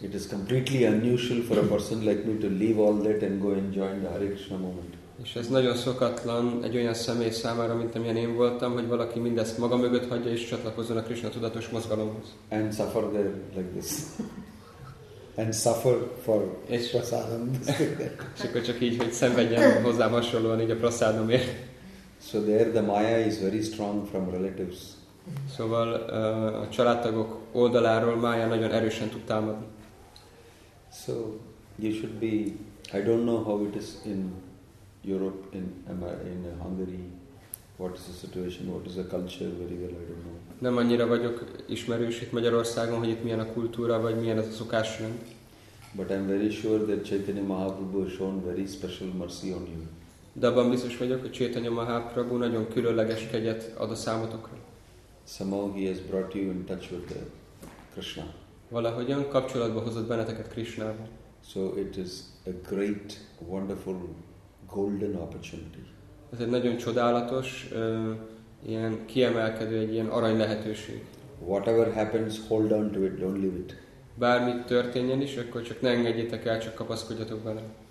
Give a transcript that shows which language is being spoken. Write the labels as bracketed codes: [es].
[en] It is completely unusual for a person like me to leave all that and go and join the Hare Krishna movement. [hu] És ez nagyon szokatlan egy olyan személy számára, mint amilyen én voltam, hogy valaki mindezt maga mögött hagyja és csatlakozzon a Krishna tudatos mozgalomhoz. [en] And suffer there like this. And suffer for prasadam. [hu] És akkor csak így, hogy szenvedjen hozzám hasonlóan így a prasadamért. [en] So there the maya is very strong from relatives. [hu] Szóval a családtagok oldaláról maya nagyon erősen tud támadni. [en] So you should be, I don't know how it is in Europe, in Hungary, what is the situation, what is the culture, very well, I don't know. [hu] nem annyira vagyok ismerős itt Magyarországon, hogy itt milyen a kultúra, vagy milyen ez a szokásrend. [en] But I'm very sure that Chaitanya Mahaprabhu has shown very special mercy on you. [hu] De abban biztos vagyok, hogy Chaitanya Mahaprabhu nagyon különleges kegyet ad a számotokra. [en] Somehow he has brought you in touch with Krishna. [hu] Valahogyan kapcsolatba hozott benneteket Krishnával. [en] So it is a great, wonderful, golden opportunity. [hu] Ez egy nagyon csodálatos, ilyen kiemelkedő, egy ilyen arany lehetőség. [en] Whatever happens, hold on to it, don't leave it. [hu] Bármit történjen is, akkor csak ne engedjétek el, csak kapaszkodjatok bele.